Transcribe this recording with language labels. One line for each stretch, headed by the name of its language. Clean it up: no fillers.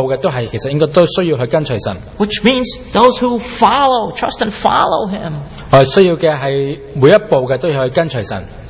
Chinese: 特別說,我們需要的每一步,其實應該都需要去跟隨神。
English: Which means those who follow, trust and follow Him.
Chinese: 我們需要的是每一步都要去跟隨神。